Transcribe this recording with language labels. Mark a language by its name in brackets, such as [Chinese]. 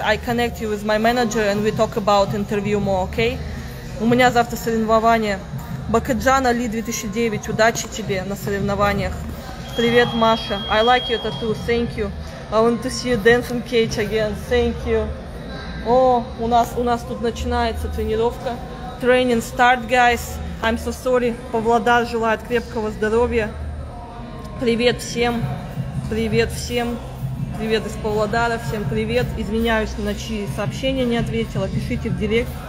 [English] I connect you with my manager and we talk about interview more, okay? [Russian] У меня завтра соревнования. Бакаджан Али 2009. Удачи тебе на соревнованиях. Привет, Маша. [English] I like your tattoo. Thank you. I want to see you dance in cage again. Thank you. [Russian] Oh, у нас тут начинается тренировка. [English] Training start, guys. I'm so sorry. [Russian] Павлодар желает крепкого здоровья. Привет всем. Привет всем. Привет из Павлодара. Всем привет. Извиняюсь, на чьи сообщения не ответила. Пишите в директ.